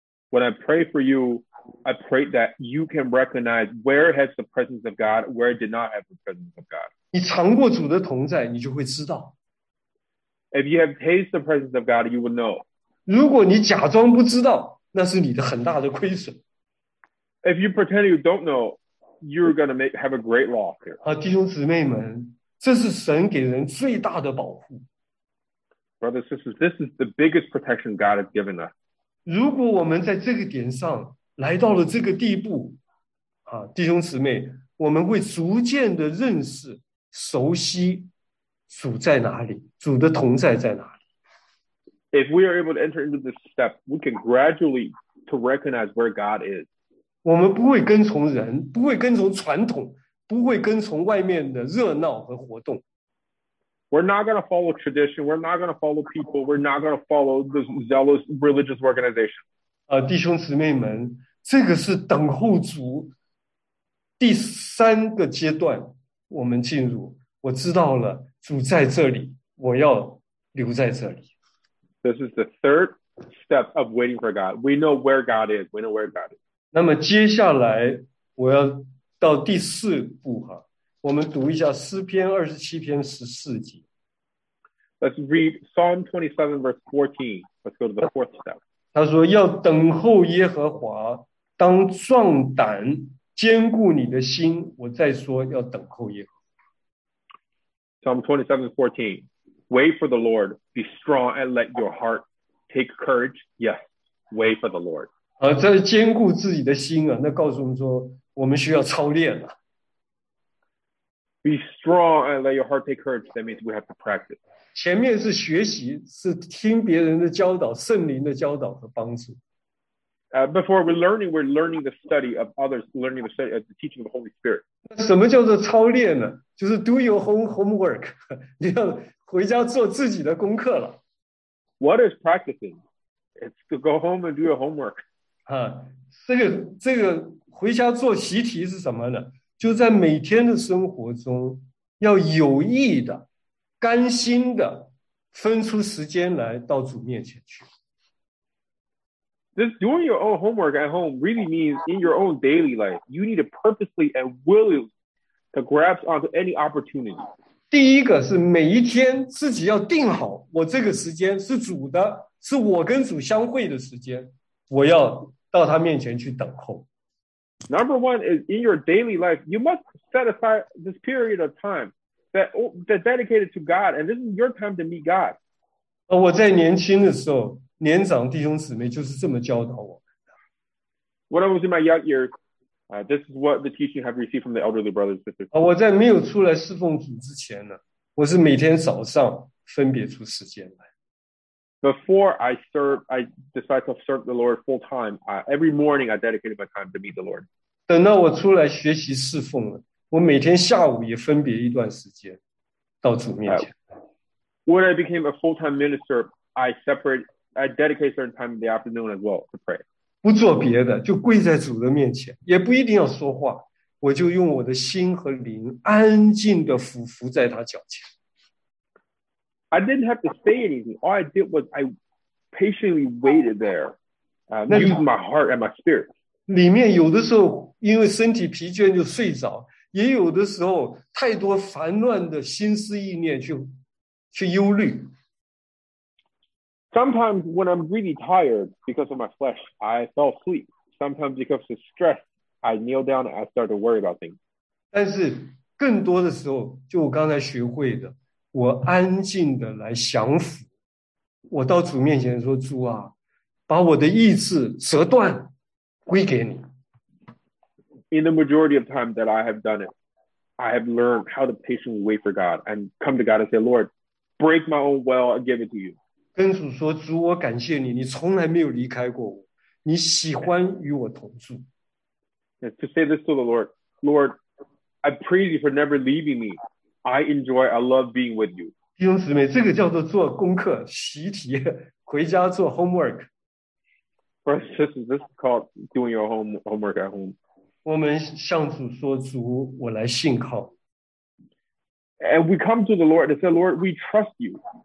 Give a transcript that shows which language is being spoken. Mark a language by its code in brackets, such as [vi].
[en] When I pray for you,I pray that you can recognize where has the presence of God, where did not have the presence of God. [zh] 你尝过主的同在，你就会知道。 [en] If you have tasted the presence of God, you will know. [zh] 如果你假装不知道，那是你的很大的亏损。 [en] If you pretend you don't know, you're going to have a great loss here. [zh] 啊，弟兄姊妹们，这是神给人最大的保护。 [en] Brothers and sisters, this is the biggest protection God has given us. [zh] 如果我们在这个点上来到了这个地步，啊，弟兄姊妹，我们会逐渐的认识、熟悉主在哪里，主的同在在哪里。 [en] If we are able to enter into this step, we can gradually to recognize where God is. [zh] 我们不会跟从人，不会跟从传统，不会跟从外面的热闹和活动。 [en] We're not going to follow tradition. We're not going to follow people. We're not going to follow the zealous religious organization. [zh] 弟兄姊妹们，这个是等候主第三个阶段，我们进入。我知道了，主在这里，我要留在这里。 [en] This is the third step of waiting for God. We know where God is. We know where God is. [zh] 那么接下来我要到第四步哈，我们读一下诗篇二十七篇十四节。 [en] Let's read Psalm 27 verse 14. Let's go to the fourth step. [zh] 他说要等候耶和华当壮胆坚固你的心，我再说要等候耶和华。 [en] Psalm 27:14 Wait for the Lord, be strong and let your heart take courage. Yes, wait for the Lord. [zh] 这是坚固自己的心啊，那告诉我们说我们需要操练啊。 [en] Be strong and let your heart take courage. That means we have to practice. [zh] 前面是学习，是听别人的教导，圣灵的教导和帮助。 [en] Before we're learning the study of others, learning the study of the teaching of the Holy Spirit. [zh] 什么叫做操练呢？就是 [en] do your homework, [zh] 你要回家做自己的功课了。 [en] What is practicing? It's to go home and do your homework. [zh] 这个回家做习题是什么呢？就在每天的生活中要有意的甘心的分出时间来到主面前去。 [en] This doing your own homework at home really means in your own daily life, you need to purposely and willingly to grasp onto any opportunity. [zh] 第一个是每一天自己要定好，我这个时间是主的，是我跟主相会的时间，我要到他面前去等候。 [en] Number one is in your daily life, you must set aside this period of time. That dedicated to God, and this is your time to meet God. [zh] 我在年轻的时候，年长弟兄姊妹就是这么教导我。 [en] When I was in my young years, this is what the teaching I've received from the elderly brothers and sisters. [zh] 我在没有出来侍奉主之前呢，我是每天早上分别出时间来。 [en] Before I served, I decided to serve the Lord full time. Every morning, I dedicated my time to meet the Lord. [zh] 等到我出来学习侍奉了。我每天下午也分别一段时间到主面前。 [en] When I became a full-time minister, I dedicate certain time in the afternoon as well to pray. [zh] 不做别的，就跪在主的面前，也不一定要说话，我就用我的心和灵安静地伏在他脚前。 [en] I didn't have to say anything. All I did was I patiently waited there, using my heart and my spirit. [zh] 里面有的时候因为身体疲倦就睡着。也有的时候太多烦乱的心思意念去忧虑。 [en] Sometimes when I'm really tired because of my flesh, I fall asleep. Sometimes because of stress, I kneel down and I start to worry about things. [zh] 但是更多的时候，就我刚才学会的，我安静的来降服，我到主面前说：“主啊，把我的意志折断，归给你。” [en] In the majority of time that I have done it, I have learned how to patiently wait for God and come to God and say, "Lord, break my own will and give it to you." 跟主说：“主，我感谢你，你从来没有离开过我，你喜欢与我同住。” Yeah, to say this to the Lord, Lord. I praise you for never leaving me. I enjoy, I love being with you. [zh] 弟兄姊妹，这个叫做做功课，习题，回家做 homework. [en] This is called doing your homework at home. [zh] 我们向主说，主，我来信靠。 [en] And we come to the Lord and say, Lord, we trust you.